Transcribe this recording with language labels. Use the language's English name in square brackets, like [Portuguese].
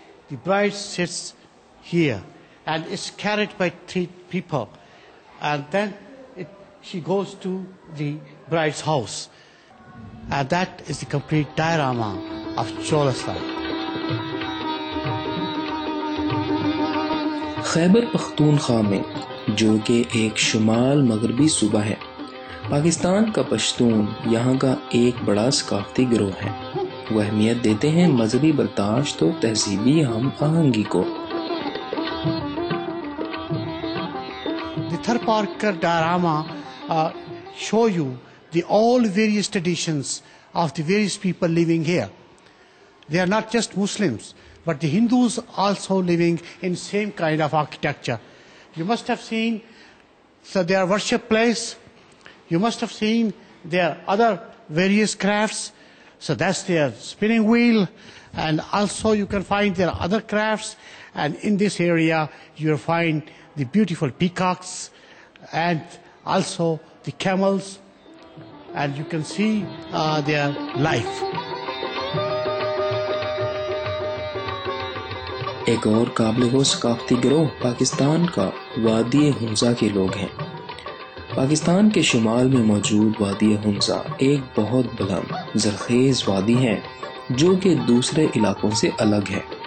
[English] The bride sits here and is carried by three people, and then she goes to the bride's house. And that is the complete diorama of Chola style. [Urdu] Khyber Pakhtunkhwa میں جو کہ ایک شمال مغربی صوبہ ہے، پاکستان کا پشتون یہاں کا ایک بڑا ثقافتی گروہ ہے۔ وہ اہمیت دیتے ہیں مذہبی برداشت اور تہذیبی ہم آہنگی کو۔ [English] The Thar Parkar diorama show you the all various traditions of the various people living here. They are not just Muslims, but the Hindus also living in same kind of architecture. You must have seen their worship place. You must have seen their other various crafts. So that's their spinning wheel. And also you can find their other crafts. And in this area, you'll find the beautiful peacocks and also the camels. And you can see their life. [Urdu] ایک اور قابل غور ثقافتی گروہ پاکستان کا وادی حمزہ کے لوگ ہیں۔ پاکستان کے شمال میں موجود وادی حمزہ ایک بہت بلند زرخیز وادی ہے جو کہ دوسرے علاقوں سے الگ ہے۔